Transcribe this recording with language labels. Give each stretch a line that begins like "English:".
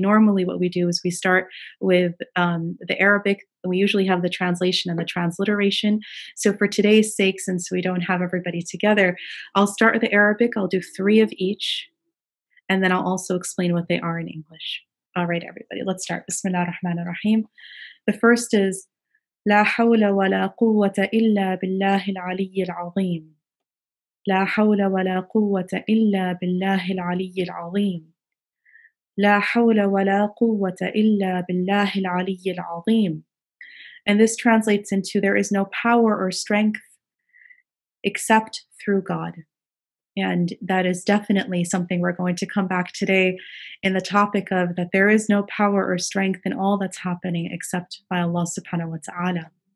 English: Normally what we do is we start with the Arabic. We usually have the translation and the transliteration. So for today's sake, since we don't have everybody together, I'll start with the Arabic. I'll do three of each, and then I'll also explain what they are in English. All right, everybody, let's start. Bismillah ar-Rahman ar-Rahim. The first is,
Arabic: لا حول ولا قوة إلا بالله العلي العظيم. لا حول ولا قوة إلا بالله العلي العظيم. لا حول ولا قوة إلا بالله العلي العظيم.
English: And this translates into, there is no power or strength except through God. And that is definitely something we're going to come back today in the topic of, that there is no power or strength in all that's happening except by Allah subhanahu wa ta'ala.